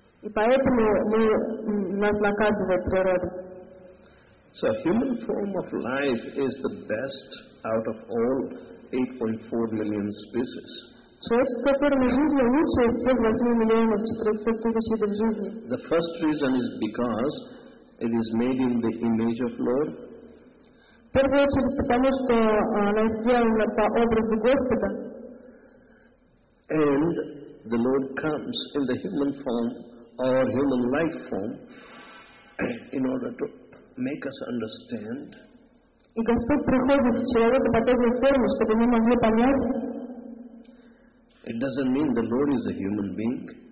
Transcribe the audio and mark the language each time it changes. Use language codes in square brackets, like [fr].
[ru] И поэтому мы нас наказывает природа. [en] So human form of life is the best out of all 8.4 million species. [ru] Человеческая форма жизни лучше из всех 8 миллионов 400 тысяч видов жизни. [en] The first reason is because it is made in the image of Lord. [ru] В первую очередь потому, что она сделана по образу Господа. [en] And the Lord comes in the human form or human life form in order to make us understand. [ru] И Господь приходит в человекоподобную форму, чтобы мы могли понять. [en] It doesn't mean the Lord is a human being.